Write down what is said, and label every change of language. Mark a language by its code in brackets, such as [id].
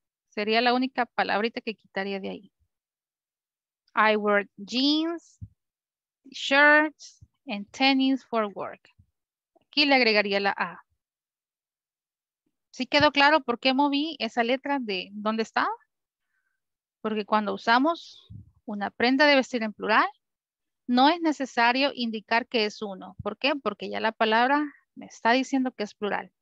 [es] Sería la única palabrita que quitaría de ahí. [en] I wear jeans, t-shirt and tennis for work. [es] Aquí le agregaría la A. ¿Sí quedó claro por qué moví esa letra de dónde estaba? Porque cuando usamos una prenda de vestir en plural, no es necesario indicar que es uno. ¿Por qué? Porque ya la palabra me está diciendo que es plural.